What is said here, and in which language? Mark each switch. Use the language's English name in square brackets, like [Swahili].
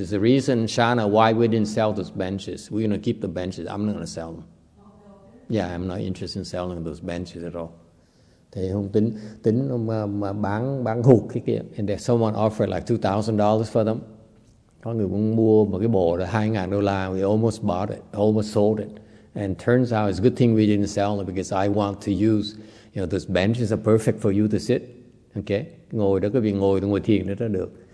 [English] It's the reason, Shana, why we didn't sell those benches. We're going to keep the benches. I'm not going to sell them. Yeah, I'm not interested in selling those benches at all. [Vietnamese] Thì ông tính ông mà bán hụt cái kia. [English] And then someone offered like $2,000 for them. [Vietnamese] Có người cũng mua một cái bộ là $2,000. [English] We almost bought it, almost sold it. And turns out it's a good thing we didn't sell it because I want to use, you know, those benches are perfect for you to sit. [Vietnamese] Okay, ngồi đó có việc ngồi thiền đó được.